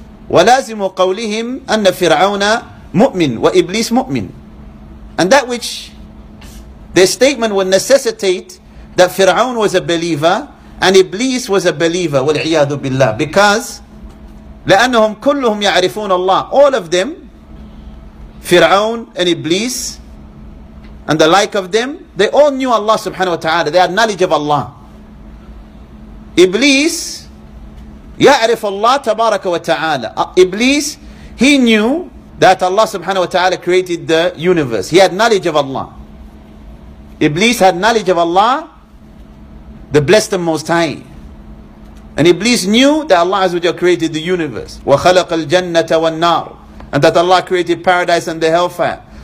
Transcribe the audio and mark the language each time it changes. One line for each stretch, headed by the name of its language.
Arabic: وَلَازِمُ قَوْلِهِمْ أَنَّ فِرْعَوْنَ مُؤْمِنْ وَإِبْلِيسْ مُؤْمِنْ
English: And that which their statement will necessitate that Fir'aun was a believer and Iblis was a believer.
Arabic: وَالْعِيَاذُ بِاللَّهِ
English: Because
Arabic: لَأَنَّهُمْ كُلُّهُمْ يَعْرِفُونَ اللَّهِ
English: All of them, Fir'aun and Iblis, and the like of them, they all knew Allah subhanahu wa ta'ala. They had knowledge of Allah.
Arabic: Iblis, يعرف الله تبارك وتعالى.
English: Iblis, he knew that Allah subhanahu wa ta'ala created the universe. He had knowledge of Allah. Iblis had knowledge of Allah, the blessed and most high. And Iblis knew that Allah azza wa jalla created the universe.
Arabic: وَخَلَقَ الْجَنَّةَ وَالنَّارُ
English: And that Allah created paradise and the hellfire.